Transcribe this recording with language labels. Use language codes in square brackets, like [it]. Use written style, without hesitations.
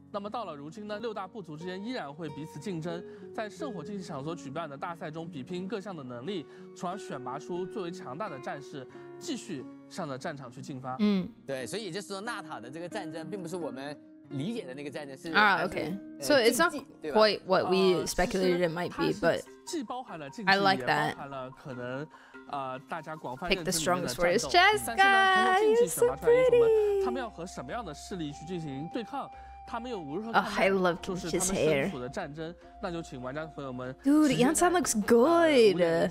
[zh] 那么到了如今呢，六大部族之间依然会彼此竞争，在圣火竞技场所举办的大赛中比拼各项的能力，从而选拔出最为强大的战士，继续向着战场去进发。对，所以也就是说纳塔的这个战争并不是我们理解的那个战争，是 [en] okay. So it's not quite what we speculated it might be, but [zh] 既包含了竞技，也包含了可能大家广泛认知的战斗。但是呢，通过竞技选拔出来的英雄们，他们要和什么样的势力去进行对抗？他们又如何看待就是他们身处的战争？那就请玩家朋友们 [en] ，Dude, Yansan looks good。